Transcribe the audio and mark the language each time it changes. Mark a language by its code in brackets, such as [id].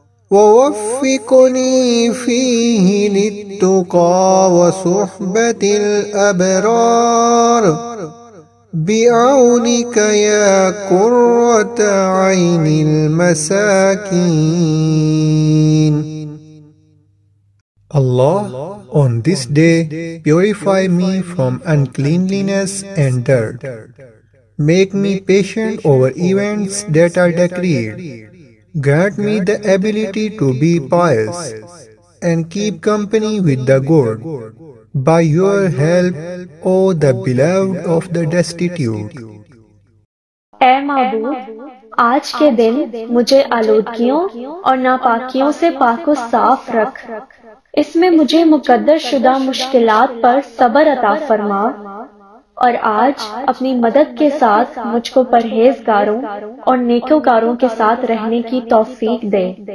[ar] ووفقني فيه للتقى وصحبة الأبرار بعونك يا قرة عين المساكين. [en] Allah, on this day, purify me from uncleanliness and dirt. Make me patient over events that are decreed. Grant me the ability to be pious and keep company with the good. By your help, O the beloved of the destitute. [ur] اے معبود، آج کے دن مجھے آلودگیوں اور ناپاکیوں سے پاک و صاف رکھ. اس میں مجھے مقدر شدہ مشکلات پر صبر عطا فرما اور آج اپنی مدد کے ساتھ مجھ کو پرہیزگاروں اور نیکوکاروں کے ساتھ رہنے کی توفیق دے.